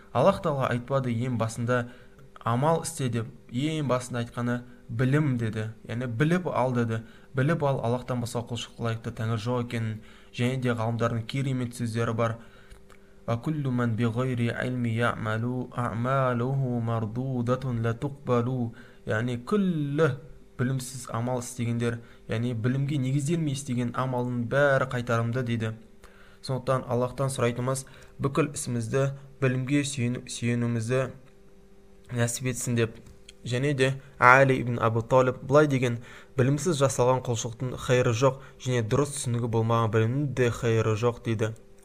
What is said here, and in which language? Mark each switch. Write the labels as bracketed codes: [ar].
[kk] Аллаһ тағала айтпады ең басында амал істе деп, ең басында айтқаны білім деді, яғни біліп ал деді. Біліп ал, Аллаһтан басқа құлшылыққа лайықты тәңір жоқ екенін. Және де ғалымдардың керемет сөздері бар, [ar] وكل من بغير علم يعمل اعماله مردوده لا تقبل. يعني كله [kk] білімсіз амал істегендер, яғни білімге негізделмей істеген амалдың бәрі қайтарымды дейді. Сондықтан Аллаһтан сұрайтынымыз, бүкіл ісімізді білімге сүйенуімізді нәсіп етсін деп. Және де Али ибн Абу Талиб былай деген, білімсіз жасалған құлшылықтың хайыры жоқ, және дұрыс түсінігі болмаған білімнің де хайыры жоқ дейді.